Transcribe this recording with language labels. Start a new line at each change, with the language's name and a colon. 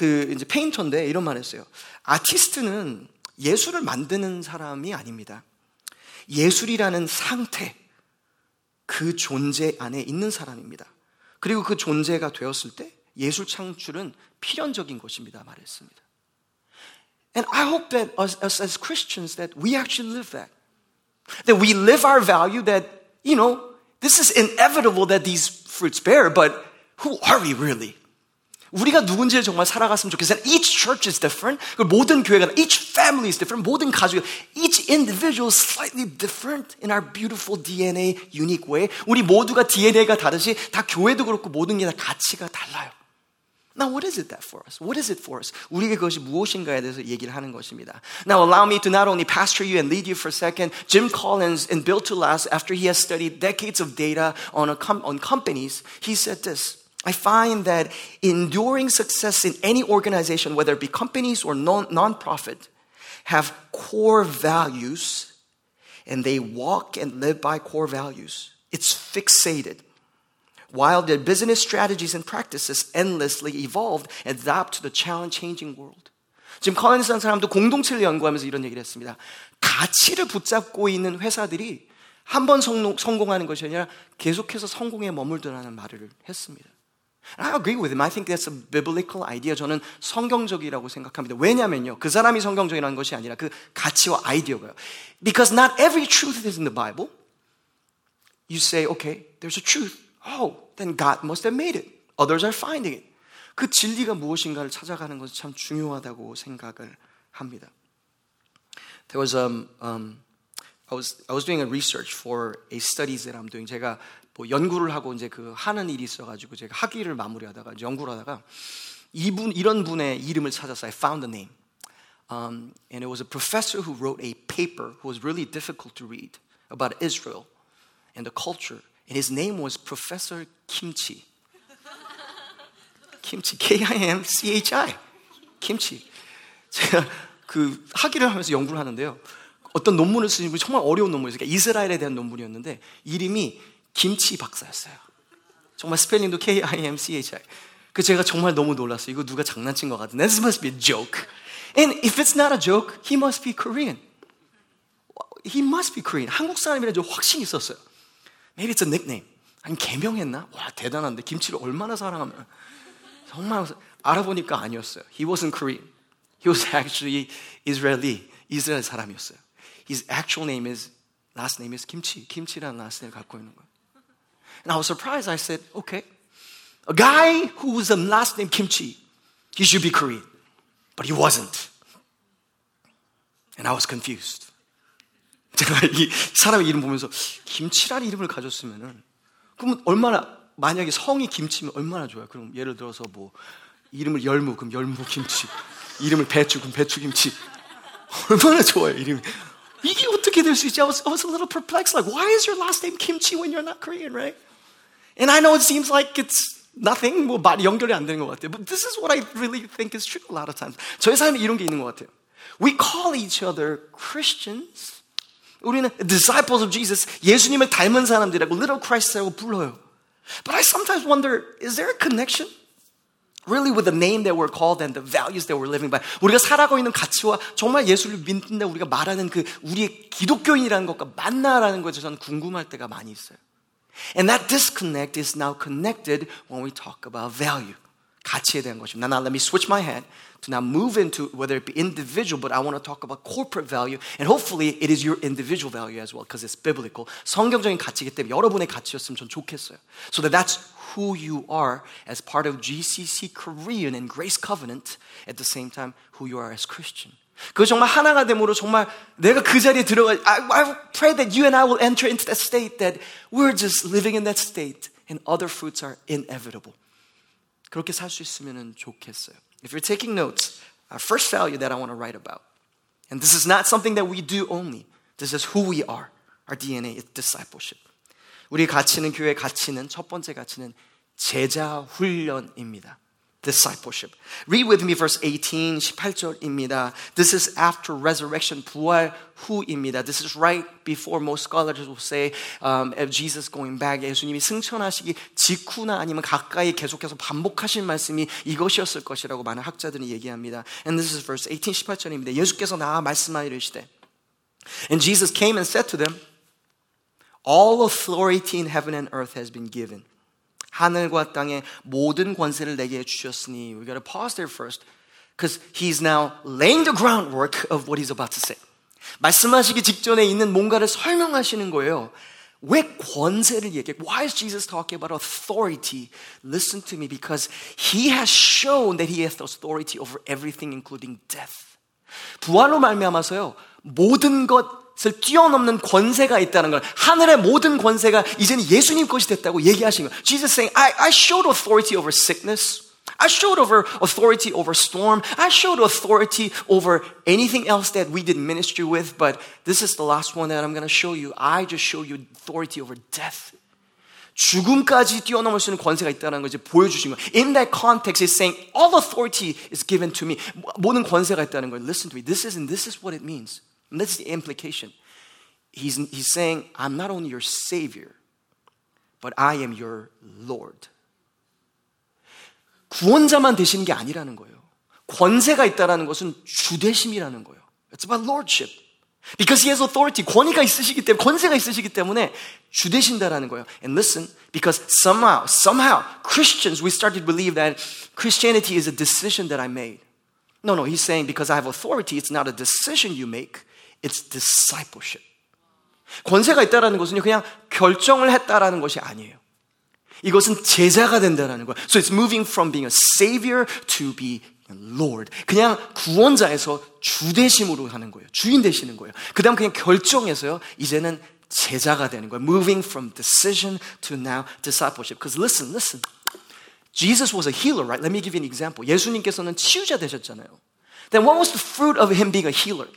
Korean: 이제 페인터인데 이런 말했어요. 아티스트는 예술을 만드는 사람이 아닙니다. 예술이라는 상태, 그 존재 안에 있는 사람입니다. 그리고 그 존재가 되었을 때 예술 창출은 필연적인 것입니다. 말했습니다.
English: And I hope that us as Christians that we actually live that. That we live our value that, you know, this is inevitable that these fruits bear, but who are we really?
Korean: 우리가 누군지를 정말 살아갔으면 좋겠어요.
English: Each church is different.
Korean: 모든 교회가,
English: each family is different.
Korean: 모든 가족,
English: each individual is slightly different in our beautiful DNA, unique way.
Korean: 우리 모두가 DNA가 다르지, 다 교회도 그렇고 모든 게 다 가치가 달라요.
English: Now, what is it that for us? What is it for us?
Korean: 우리에게 그것이 무엇인가에 대해서 얘기를 하는 것입니다.
English: Now, allow me to not only pastor you and lead you for a second. Jim Collins in Built to Last, after he has studied decades of data on companies, he said this, I find that enduring success in any organization, whether it be companies or non-profit, have core values, and they walk and live by core values. It's fixated. While their business strategies and practices endlessly evolved, adapt to the challenging world.
Korean: 지금 커넨스라는 사람도 공동체를 연구하면서 이런 얘기를 했습니다. 가치를 붙잡고 있는 회사들이 한 번 성공하는 것이 아니라 계속해서 성공에 머물더라는 말을 했습니다.
English: And I agree with him. I think that's a biblical idea.
Korean: 저는 성경적이라고 생각합니다. 왜냐면요. 그 사람이 성경적이라는 것이 아니라 그 가치와 아이디어가요.
English: Because not every truth is in the Bible. You say, okay, there's a truth. Oh, then God must have made it. Others are finding it.
Korean: 그 진리가 무엇인가를 찾아가는 것이 참 중요하다고 생각을 합니다.
English: There was I was doing a research for a studies that I'm doing.
Korean: 제가 뭐 연구를 하고 이제 그 하는 일이 있어가지고 제가 학위를 마무리하다가 연구를 하다가 이런 분의 이름을 찾았어요.
English: I found a name. And it was a professor who wrote a paper who was really difficult to read about Israel and the culture. And his name was Professor Kimchi. Kimchi, K-I-M-C-H-I. Kimchi.
Korean: 제가 그 학위를 하면서 연구를 하는데요. 어떤 논문을 쓰신 분이 정말 어려운 논문이었어요. 그러니까 이스라엘에 대한 논문이었는데 이름이 김치 박사였어요. 정말 스펠링도 K-I-M-C-H-I. 그 제가 정말 너무 놀랐어요. 이거 누가 장난친 것 같은데.
English: This must be a joke. And if it's not a joke, he must be Korean. He must be Korean.
Korean: 한국 사람이라 좀 확신이 있었어요.
English: Maybe it's a nickname.
Korean: 아니, 개명했나? 와, 대단한데. 김치를 얼마나 사랑하면. 정말 알아보니까 아니었어요.
English: He wasn't Korean. He was actually Israeli.
Korean: 이스라엘 사람이었어요.
English: His actual name is, last name is 김치. 김치라는 last name을
Korean: 갖고 있는 거예요.
English: And I was surprised. I said, okay. A guy whose last name Kimchi, he should be Korean. But he wasn't. And I was confused.
Korean: 제가 이 사람의 이름 보면서 김치라는 이름을 가졌으면 그럼 얼마나, 만약에 성이 김치면 얼마나 좋아요. 그럼 예를 들어서 뭐 이름을 열무, 그럼 열무 김치. 이름을 배추, 그럼 배추 김치. 얼마나 좋아요, 이름이. 이게 어떻게 될 수 있지?
English: I was a little perplexed. Like, why is your last name Kimchi when you're not Korean, right? And I know it seems like it's nothing,
Korean: 뭐 말 연결이 안 되는 것 같아요.
English: But this is what I really think is true a lot of times.
Korean: 저희 삶에 이런 게 있는 것 같아요.
English: We call each other Christians. 우리는 disciples of Jesus,
Korean: 예수님을 닮은 사람들이라고
English: little Christ라고 불러요. But I sometimes wonder, is there a connection really with the name that we're called and the values that we're living by?
Korean: 우리가 살아가고 있는 가치와 정말 예수를 믿는다 우리가 말하는 그 우리의 기독교인이라는 것과 맞나라는 것에 저는 궁금할 때가 많이 있어요.
English: And that disconnect is now connected when we talk about value.
Korean: 가치에 대한 것입니다.
English: Now let me switch my head to now move into whether it be individual, but I want to talk about corporate value. And hopefully it is your individual value as well because it's biblical.
Korean: 성경적인 가치이기 때문에 여러분의 가치였으면 전 좋겠어요.
English: So that's who you are as part of GCC Korean and Grace Covenant at the same time who you are as Christian.
Korean: 그 정말 하나가 되므로 정말 내가 그 자리에 들어가
English: I pray that you and I will enter into that state that we're just living in that state and other fruits are inevitable.
Korean: 그렇게 살 수 있으면 좋겠어요.
English: If you're taking notes, our first value that I want to write about, and this is not something that we do only, this is who we are, our DNA is discipleship.
Korean: 우리 가치는 교회 가치는 첫 번째 가치는 제자훈련입니다.
English: Discipleship. Read with me verse 18,
Korean: 18절입니다.
English: This is after resurrection,
Korean: 부활 후입니다.
English: This is right before most scholars will say if Jesus going back,
Korean: 예수님이 승천하시기 직후나 아니면 가까이 계속해서 반복하신 말씀이 이것이었을 것이라고 많은 학자들이 얘기합니다.
English: And this is verse 18,
Korean: 18절입니다. 예수께서 나와 말씀하시되
English: And Jesus came and said to them, All authority in heaven and earth has been given.
Korean: 하늘과 땅의 모든 권세를 내게 주셨으니
English: We gotta pause there first because he's now laying the groundwork of what he's about to say.
Korean: 말씀하시기 직전에 있는 뭔가를 설명하시는 거예요. 왜 권세를 얘기해?
English: Why is Jesus talking about authority? Listen to me because he has shown that he has authority over everything including death.
Korean: 부활로 말미암아서요. 모든 것 뛰어넘는 권세가 있다는 걸 하늘의 모든 권세가 이제는 예수님 것이 됐다고 얘기하신 거예요.
English: Jesus saying, I showed authority over sickness. I showed over authority over storm. I showed authority over anything else that we did ministry with. But this is the last one that I'm going to show you. I just show you authority over death.
Korean: 죽음까지 뛰어넘을 수 있는 권세가 있다는 것을 보여주신 거예요.
English: In that context, he's saying, all authority is given to me.
Korean: 모든 권세가 있다는 거예요.
English: Listen to me. This is what it means. And that's the implication. He's saying, I'm not only your savior, but I am your Lord.
Korean: 구원자만 되시는 게 아니라는 거예요. 권세가 있다라는 것은 주되심이라는 거예요.
English: It's about lordship. Because he has authority,
Korean: 권위가 있으시기 때문에, 권세가 있으시기 때문에 주되신다라는 거예요.
English: And listen, because somehow, Christians, we started to believe that Christianity is a decision that I made. No, he's saying, because I have authority, it's not a decision you make. It's discipleship.
Korean: 권세가 있다라는 것은요, 그냥 결정을 했다라는 것이 아니에요. 이것은 제자가 된다라는 거야.
English: So it's moving from being a savior to be Lord.
Korean: 그냥 구원자에서 주 되심으로 하는 거예요. 주인 되시는 거예요. 그 다음 그냥 결정해서요. 이제는 제자가 되는 거예요.
English: Moving from decision to now discipleship. Because listen, listen. Jesus was a healer, right? Let me give you an example.
Korean: 예수님께서는 치유자 되셨잖아요.
English: Then what was the fruit of him being a healer?